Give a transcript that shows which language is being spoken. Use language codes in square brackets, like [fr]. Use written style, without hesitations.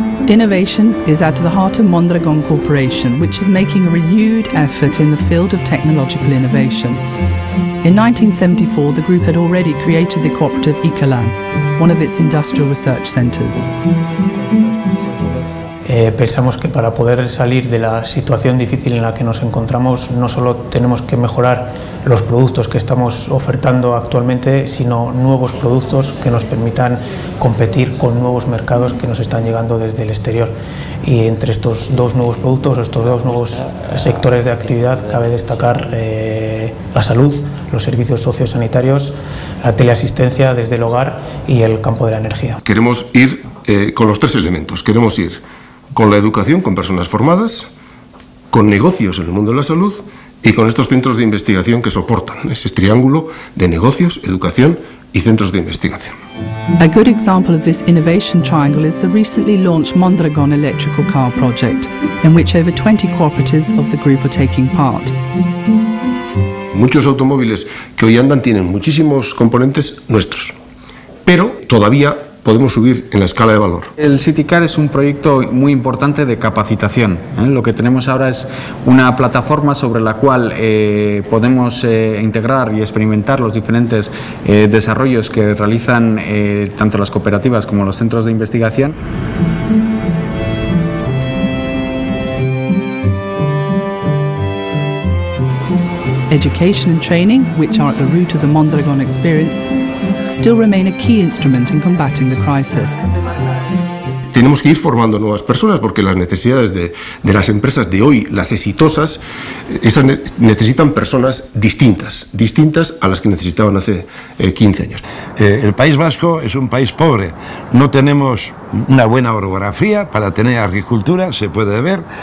[en] Innovation is at the heart of Mondragon Corporation, which is making a renewed effort in the field of technological innovation. In 1974, the group had already created the cooperative Ecolan, one of its industrial research centers. [es] Pensamos que para poder salir de la situación difícil en la que nos encontramos, no solo tenemos que mejorar los productos que estamos ofertando actualmente, sino nuevos productos que nos permitan competir con nuevos mercados que nos están llegando desde el exterior. Y entre estos dos nuevos productos, estos dos nuevos sectores de actividad, cabe destacar la salud, los servicios sociosanitarios, la teleasistencia desde el hogar y el campo de la energía. Queremos ir con los tres elementos. Queremos ir con la educación, con personas formadas, con negocios en el mundo de la salud y con estos centros de investigación que soportan ese triángulo de negocios, educación y centros de investigación. [en] A good example of this innovation triangle is the recently launched Mondragon Electrical Car Project, in which over 20 cooperatives of the group are taking part. [es] Muchos automóviles que hoy andan tienen muchísimos componentes nuestros, pero todavía podemos subir en la escala de valor. El City Car es un proyecto muy importante de capacitación. Lo que tenemos ahora es una plataforma sobre la cual podemos integrar y experimentar los diferentes desarrollos que realizan tanto las cooperativas como los centros de investigación. [en] Education and training, which are at the root of the Mondragon experience, still remain a key instrument in combating the crisis. [es] Tenemos que ir formando nuevas personas porque las necesidades de las empresas de hoy, las exitosas, esas necesitan personas distintas a las que necesitaban hace 15 años. El País Vasco es un país pobre, no tenemos una buena orografía para tener agricultura, se puede ver.